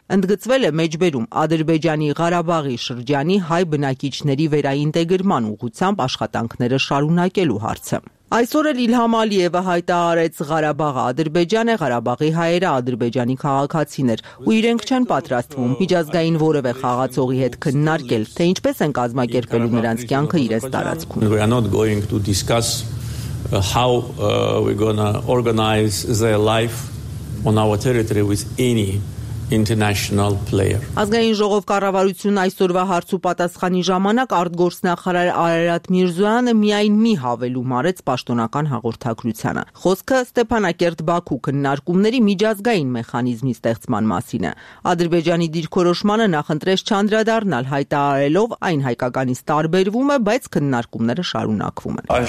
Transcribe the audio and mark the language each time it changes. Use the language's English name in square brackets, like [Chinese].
[Armenian] ընդգծվել է մեջբերում Ադրբեջանի Ղարաբաղի շրջանի հայ բնակիչների վերաինտեգրման ուղղությամբ աշխատանքները շարունակելու հարցը։ Այսօր էլ Իլհամ Ալիևը հայտարարեց, Ղարաբաղը Ադրբեջան է, Ղարաբաղի հայերը ադրբեջանի քաղաքացիներ, ու իրենք չեն պատրաստվում միջազգային որևէ խաղացողի հետ քննարկել, թե ինչպես են կազմակերպելու նրանց կյանքը իրենց տարածքում։ [English] We are not going to discuss how we're going to organize their life on our territory with any international player. [Armenian] Ազգային ժողով կառավարությունը այսօրվա հարց ու պատասխանի ժամանակ արտգործնախարար Արարատ Միրզոյանը միայն մի հավելում արեց պաշտոնական հաղորդակցությանը։ Խոսքը Ստեփանակերտ-Բաքու քննարկումների միջազգային մեխանիզմի ստեղծման մասին է։ Ադրբեջանի դիրքորոշմանը նախընտրեց չանդրադառնալ, հայտարարելով, այն հայկականից տարբերվում է, բայց քննարկումները շարունակվում են։